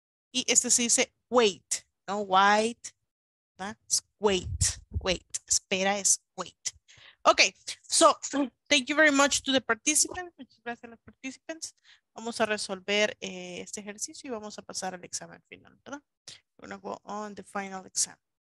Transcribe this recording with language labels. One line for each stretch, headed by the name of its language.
Spanish: Y este sí dice wait, no white, ¿verdad? Es wait. Espera, es wait.
English: Okay, so thank you very much to the participants.
Spanish: Muchas gracias a los participants. Vamos a resolver este ejercicio y vamos a pasar al examen final, ¿verdad?
English: We're going to go on the final exam.